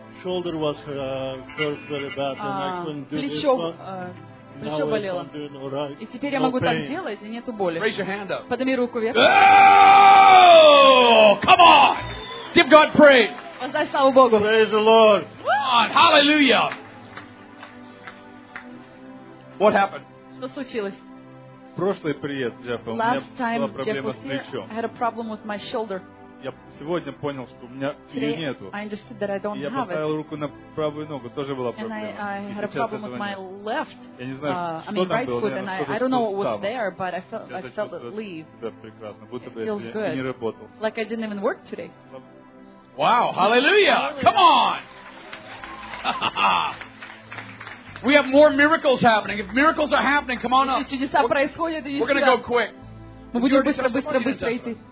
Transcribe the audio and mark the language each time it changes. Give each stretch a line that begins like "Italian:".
English: Shoulder was hurt very bad, and I couldn't do
Russian: плечо,
English: this.
Russian: Плечо болело.
English: Right.
Russian: И теперь
English: no
Russian: я могу так делать, и нету боли.
English: Raise your hand up.
Russian: Подними руку вверх.
English: Oh, come on! Give God praise.
Russian: Воздай славу Богу.
English: Praise the Lord. Come on, hallelujah. What happened?
Russian: Что случилось? Прошлый приезд, Джеффа, у меня была проблема с плечом.
English: I had a problem with my shoulder.
Russian: Я сегодня понял, что у меня ее нету.
English: I understood that I don't
Russian: я поставил руку на правую ногу, тоже была проблема.
English: And I had a problem with my left.
Russian: Я не знаю, что
English: I mean,
Russian: там
English: right
Russian: было.
English: Foot, I don't know what was there, but I felt it leave.
Russian: Это прекрасно, будто бы я не работал.
English: Like I didn't even work today. Wow, hallelujah! Come on! We have more miracles happening. If miracles are happening, come on up.
Russian: Чудеса происходят.
English: We're gonna go quick.
Russian: Мы будем быстро идти.